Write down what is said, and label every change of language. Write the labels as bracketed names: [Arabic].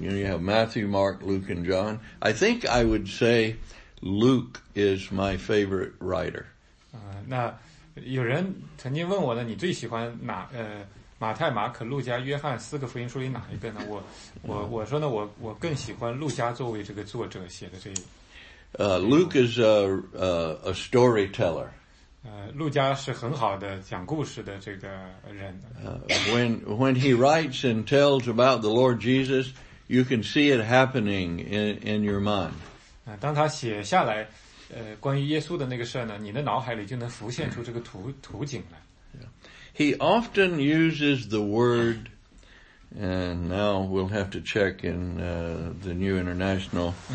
[English] You know, you have Matthew, Mark, Luke, and John. I think I would say Luke is my favorite writer. [Chinese] 那有人曾经问我呢，你最喜欢哪马太、马可、路加、约翰四个福音书里哪一个呢？我说呢，我更喜欢路加作为这个作者写的这一。 [English] Luke is a storyteller. [Chinese] 路加是很好的讲故事的这个人。 [English] When he writes and tells about the Lord Jesus, you can see it happening in your mind. [Chinese] 当他写下来，关于耶稣的那个事呢，你的脑海里就能浮现出这个图景来。 [English] He often uses the word, and now we'll have to check in the New International.